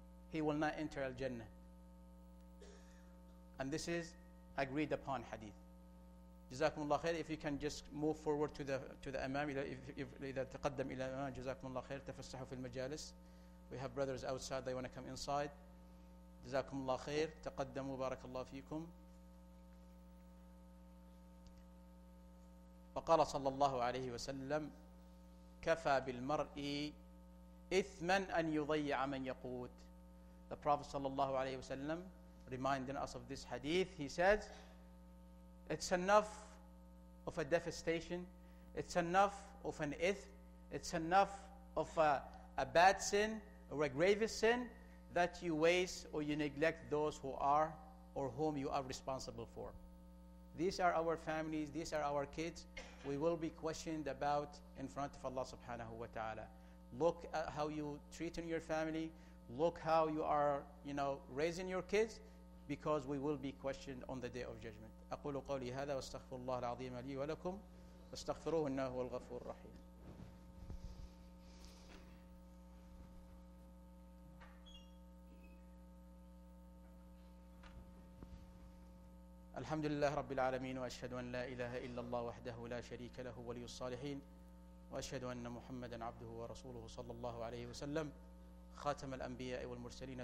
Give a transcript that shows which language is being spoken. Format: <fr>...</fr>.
<en>He will not enter al-Jannah. And this is agreed upon hadith. Jazakumullah khair. If you can just move forward to the imam.</en> <ar>إذا تقدم إلى الإمام جزاكumullah khair. تفسحوا في المجالس.</ar> <en>We have brothers outside. They want to come inside.</en> <ar>Jazakumullah khair. تقدموا بارك الله فيكم. وقال صلى الله عليه وسلم كفى بالمرء إثما أن يضيع من يقوت.</ar> <en>The Prophet صلى الله عليه وسلم reminding us of this hadith, he says, it's enough of a devastation, it's enough of an ith, it's enough of a bad sin or a gravest sin that you waste or you neglect those who are or whom you are responsible for. These are our families, these are our kids. We will be questioned about in front of Allah subhanahu wa ta'ala. Look at how you treat in your family. Look how you are, you know, raising your kids, because we will be questioned on the day of judgment.</en> <ar>أقول قولي هذا واستغفر الله العظيم لي ولكم واستغفروه إنه هو الغفور الرحيم. الحمد لله رب العالمين وأشهد أن لا إله إلا الله وحده لا شريك له ولي الصالحين وأشهد أن محمدا عبده ورسوله صلى الله عليه وسلم خاتم الأنبياء والمرسلين.</ar>